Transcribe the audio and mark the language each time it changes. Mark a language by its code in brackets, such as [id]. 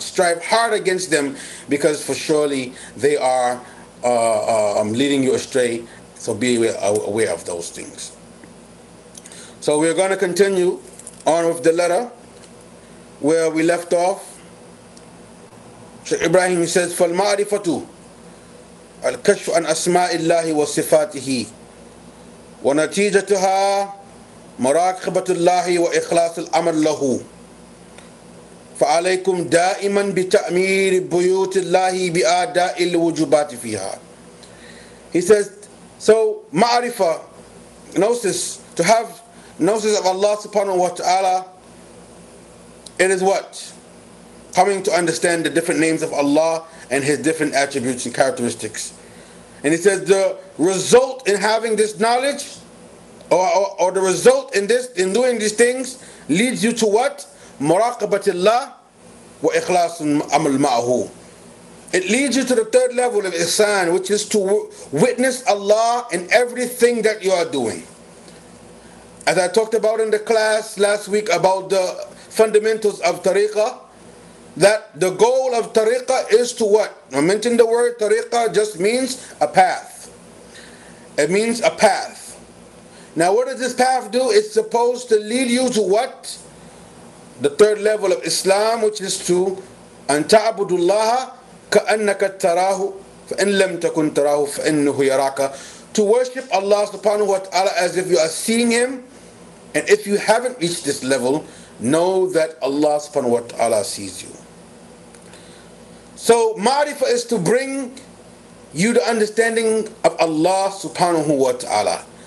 [en] Strive hard against them, because for surely they are leading you astray. So be aware of those things. So we're going to continue on with the letter where we left off. Shaykh Ibrahim says, [ar] فَالْمَعْرِفَةُ الْكَشْفُ عَنْ أَسْمَاءِ اللَّهِ وَصِفَاتِهِ وَنَتِيجَتُهَا مراقبة الله وإخلاص الأمر له فعليكم دائما بتأمير بيوت الله بأداء الوجبات فيها. [en] He says, so ma'rifa, gnosis, to have gnosis of Allah subhanahu wa ta'ala, it is what? Coming to understand the different names of Allah and his different attributes and characteristics. And he says the result in having this knowledge or the result in this, in doing these things, leads you to what? [ar] Muraqabatillah wa ikhlasun amal ma'ahu. [en] It leads you to the third level of ihsan, which is to witness Allah in everything that you are doing. As I talked about in the class last week about the fundamentals of tariqah, that the goal of tariqah is to what? I mentioned the word tariqah just means a path. It means a path. Now what does this path do? It's supposed to lead you to what? The third level of Islam, which is to [ar] أن تعبد الله كأنك تراه فإن لم تكن تراه فإنه يراك. [en] To worship Allah subhanahu wa ta'ala as if you are seeing Him. And if you haven't reached this level, know that Allah subhanahu wa ta'ala sees you. So ma'rifah is to bring you the understanding of Allah subhanahu wa ta'ala.